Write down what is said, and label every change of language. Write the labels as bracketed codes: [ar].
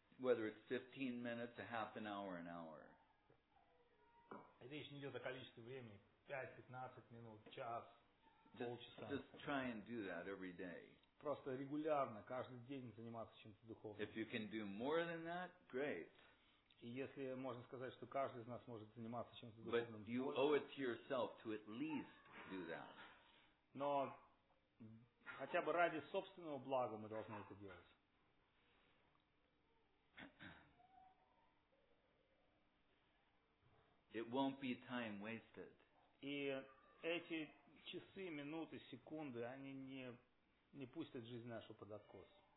[en] Whether it's 15 minutes, a half an hour. [ru] Речь не идет о количестве времени. 5, 15 минут, час, полчаса. [en] Just try and do that every day. [ru] Просто регулярно, каждый день заниматься чем-то духовным. [en] If you can do more than that, great. [ru] И если можно сказать, что каждый из нас может заниматься чем-то духовным. [en] But you owe it to yourself to at least do that. [ru] Но хотя бы ради собственного блага мы должны это делать. [en] It won't be time wasted. [ru] И эти часы, минуты, секунды, они не пустят жизнь нашу под откос.